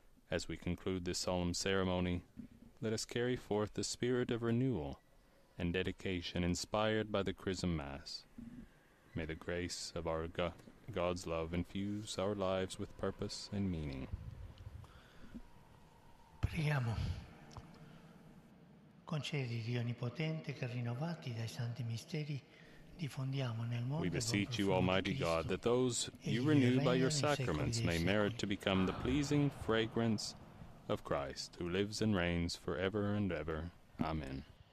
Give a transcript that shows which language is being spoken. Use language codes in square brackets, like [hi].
[en] As we conclude this solemn ceremony, let us carry forth the spirit of renewal and dedication inspired by the Chrism Mass. May the grace of our God's love infuse our lives with purpose and meaning. [it] Preghiamo. Concedi, Dio onnipotente, che rinnovati dai santi misteri diffondiamo nel mondo. [en] We beseech you, Almighty God, that those you renew by your sacraments may merit to become the pleasing fragrance of Christ, who lives and reigns forever and ever. Amen.